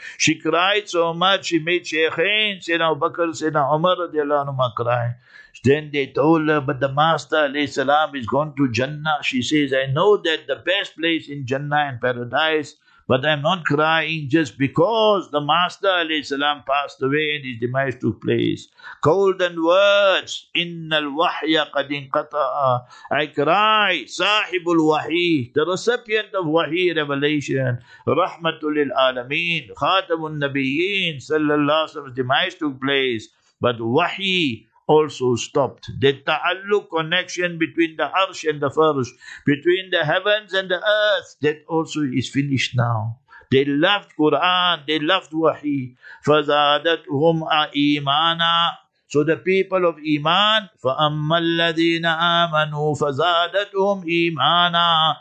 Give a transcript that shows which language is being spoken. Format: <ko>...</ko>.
<en>She cried so much, she made Shaykhain, Sayyidina Abu Bakr, Sayyidina Umar radiallahu anhuma cry. Then they told her, but the Master alayhi salam is gone to Jannah. She says, I know that the best place in Jannah and paradise, But I'm not crying just because the Master alayhi salam passed away and his demise took place. Cold and words,</en> <ar>إِنَّ الْوَحْيَ قَدْ إِنْقَطَعَ.</ar> <en>I cry,</en> <ar>صَاحِبُ الْوَحِي,</ar> <en>the recipient of Wahi revelation,</en> <ar>رَحْمَةُ لِلْعَالَمِينَ, خَاتَمُ النَّبِيِّينَ, صَلَّى اللَّهُ عَلَيْهِ وَسَلَّمَ,</ar> <en>demise took place. But Wahi also stopped. The ta'alluq connection between the arsh and the farsh, between the heavens and the earth, that also is finished now. They loved Quran, they loved Wahi.</en> <ar>فَزَادَتْهُمْ أَيْمَانًا.</ar> <en>So the people of Iman,</en> <ar>فَأَمَّا الَّذِينَ آمَنُوا فَزَادَتْهُمْ إِيمَانًا.</ar>